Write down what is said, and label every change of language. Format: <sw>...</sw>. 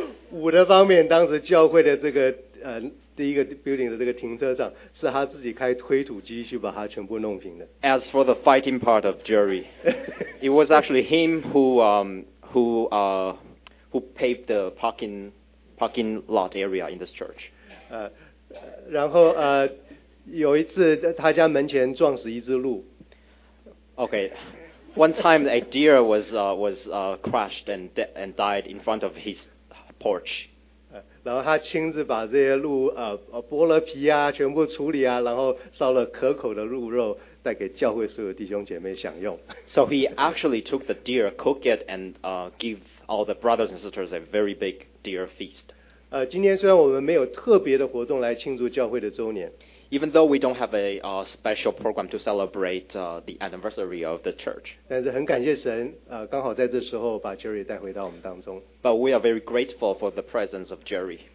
<zh>武的方面，当时教会的这个第一个 building 的这个停车场是他自己开推土机去把它全部弄平的。</zh> <en>As for the fighting part of Jerry, it was actually him who paved the parking lot area in this church.</en> <zh>然后有一次他家门前撞死一只鹿。</zh> <en>Okay, one time a deer was crashed and died in front of his porch.</en> <zh>然后他亲自把这些鹿剥了皮啊，全部处理啊，然后烧了可口的鹿肉，带给教会所有弟兄姐妹享用。</zh> <en>So he actually took the deer, cooked it, and give all the brothers and sisters a very big deer feast.</en> <zh>今天虽然我们没有特别的活动来庆祝教会的周年</zh> <en>，Even though we don't have a special program to celebrate the anniversary of the church,</en> <zh>但是很感谢神，刚好在这时候把 Jerry 带回到我们当中。</zh> <en>But we are very grateful for the presence of Jerry.</en>